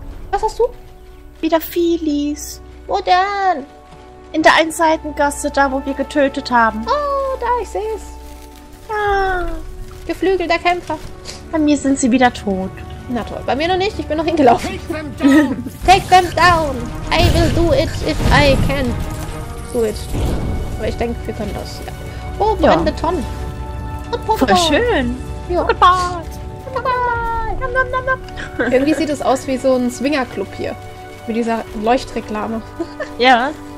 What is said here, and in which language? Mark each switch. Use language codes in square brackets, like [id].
[de] Was hast du? Wieder Feelies. Wo denn? In der einen Seitengasse, da wo wir getötet haben. Oh, da, ich seh's. Ja. Geflügelter Kämpfer. Bei mir sind sie wieder tot. Na toll, bei mir noch nicht, ich bin noch hingelaufen. [en] Take them down. Take them down. I will do it if I can. Do it. [de] Aber ich denke, wir können das. Ja. Oh, brennende Tonnen. Voll schön. Ja. Irgendwie sieht es aus wie so ein Swingerclub hier. Mit dieser Leuchtreklame. Ja.